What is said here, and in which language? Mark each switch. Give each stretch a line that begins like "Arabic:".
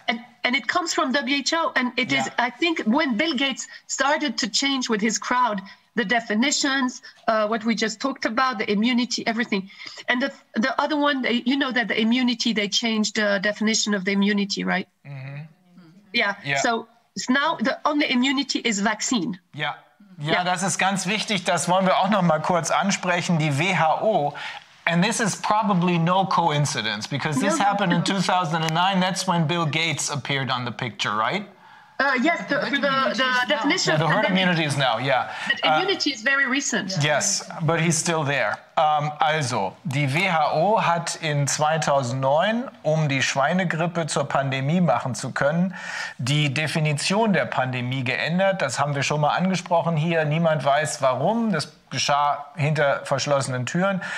English: And it comes from WHO, and it is, I think, when Bill Gates started to change with his crowd, the definitions, what we just talked about, the immunity, everything. And the other one, you know that the immunity, they changed the definition of the immunity, right? Mm-hmm. Yeah. So it's now the only immunity is vaccine. Yeah.
German: Yeah, das ist ganz wichtig. Das wollen wir auch noch mal kurz ansprechen.
English: Die WHO, and this is probably no coincidence, because this happened in 2009. That's when Bill Gates appeared on the picture, right? Yes, the definition. The herd immunity is now, But immunity is very recent. Yes, but he's still there.
German: Also, die WHO hat in 2009, um die Schweinegrippe zur Pandemie machen zu können, die Definition der Pandemie geändert. Das haben wir schon mal angesprochen hier. Niemand weiß, warum. Das geschah hinter verschlossenen Türen.